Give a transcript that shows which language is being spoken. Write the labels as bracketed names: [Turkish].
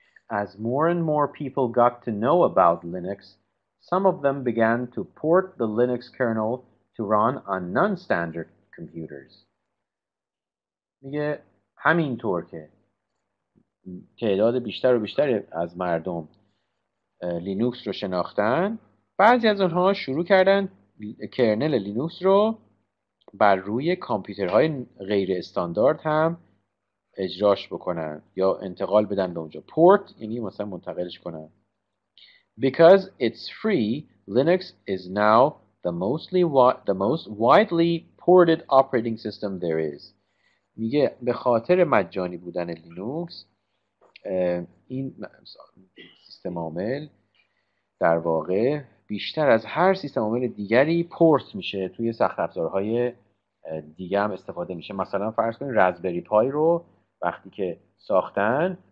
[English] As more and more people got to know about Linux, some of them began to port the Linux kernel to run on non-standard computers. [Persian] میگه همین طور که تعداد بیشتر و بیشتر از مردم لینوکس رو شناختن، بعضی از اونها شروع کردن کرنل لینوکس رو بر روی کامپیوترهای غیر استاندارد هم اجراش بکنن یا انتقال بدن به اونجا. پورت یعنی مثلا منتقلش کنن. [English] Because it's free, Linux is now the most widely ported operating system there is. [Persian] میگه به خاطر مجانی بودن لینوکس این سیستم عامل در واقع بیشتر از هر سیستم عامل دیگری پورت میشه، توی سخت افزارهای دیگه هم استفاده میشه. مثلا فرض کنید رزبری پای رو وقتی که ساختن